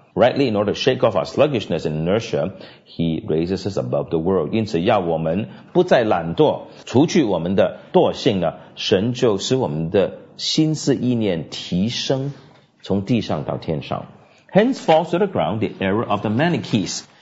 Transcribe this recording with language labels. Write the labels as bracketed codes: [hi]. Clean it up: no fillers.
[en] Rightly, in order to shake off our sluggishness and inertia, he raises us above the world. [zh] 因此要我们不再懒惰，除去我们的惰性呢，神就使我们的心思意念提升，从地上到天上。 [en] Hence falls to the ground the error of the Manichees.